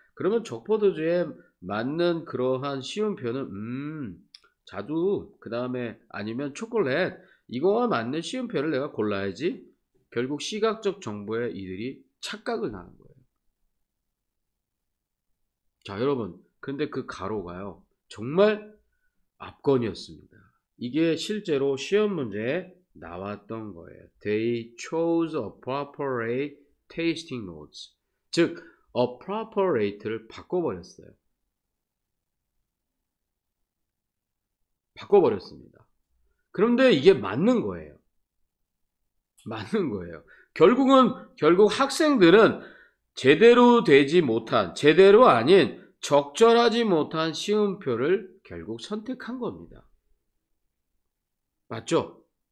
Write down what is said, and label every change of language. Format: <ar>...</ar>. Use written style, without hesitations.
<ko>그러면 적포도주에 맞는 그러한 쉬운 표현은, 자두, 그 다음에 아니면 초콜릿, 이거와 맞는 쉬운 표현을 내가 골라야지. 결국 시각적 정보에 이들이 착각을 하는 거예요. 자, 여러분. 근데 그 가로가요, 정말 압권이었습니다. 이게 실제로 시험 문제에 나왔던 거예요.</ko> <en>They chose appropriate tasting notes.</en> <ko>즉, appropriate를 바꿔버렸어요. 바꿔버렸습니다. 그런데 이게 맞는 거예요. 맞는 거예요. 결국 학생들은 제대로 되지 못한, 제대로 아닌 적절하지 못한 쉬운표를 결국 선택한 겁니다. 맞죠?</ko>